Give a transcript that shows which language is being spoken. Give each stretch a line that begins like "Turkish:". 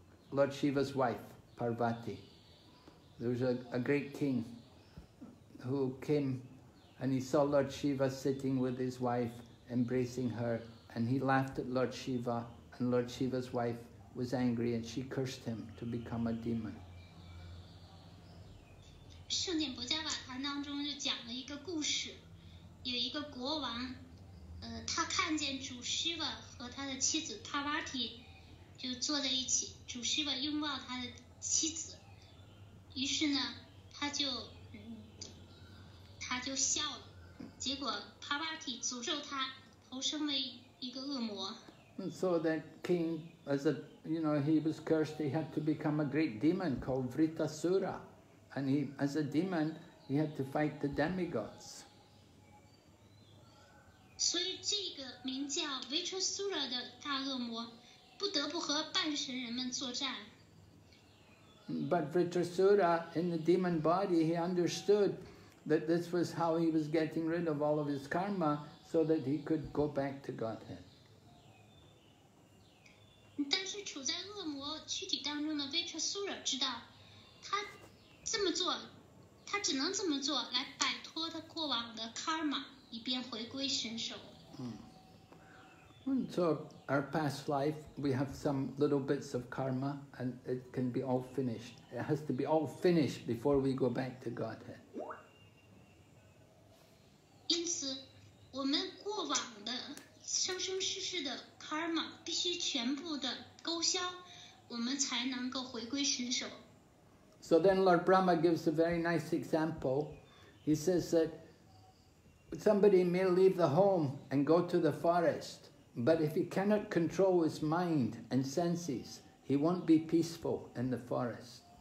English: Lord Shiva's wife, Parvati. There was a great king who came and he saw Lord Shiva sitting with his wife, embracing her, and he laughed at Lord Shiva, and Lord Shiva's wife was angry and she cursed him to become a demon.
Chinese: 圣典薄伽瓦坛当中就讲了一个故事，有一个国王，他看见主 Shiva 和他的妻子 Parvati就坐在一起，主师吧拥抱他的妻子，于是呢，他就笑了，结果帕巴提诅咒他投生为一个恶魔。
English: So that king, as a, you know, he was cursed, he had to become a great demon called Vritasura, and he, as a demon, he had to fight the demigods.
Chinese: 所以这个名叫 Vritasura 的大恶魔不得不和半神人们作战。
English: But Vritrasura, in the demon body, he understood that this was how he was getting rid of all of his karma so that he could go back to Godhead.
Chinese: 但是处在恶魔躯体当中的维特苏尔知道，他这么做，他只能这么做来摆脱他过往的 karma， 以便回归神手。
English: So our past life, we have some little bits of karma, and it can be all finished. It has to be all finished before we go back to Godhead.
Chinese: 因此，我们过往的生生世世的karma 必须全部的勾销，我们才能够回归神手。
English: So then Lord Brahma gives a very nice example. He says that somebody may leave the home and go to the forest, but if he cannot control his mind and senses, he won't be peaceful in the forest.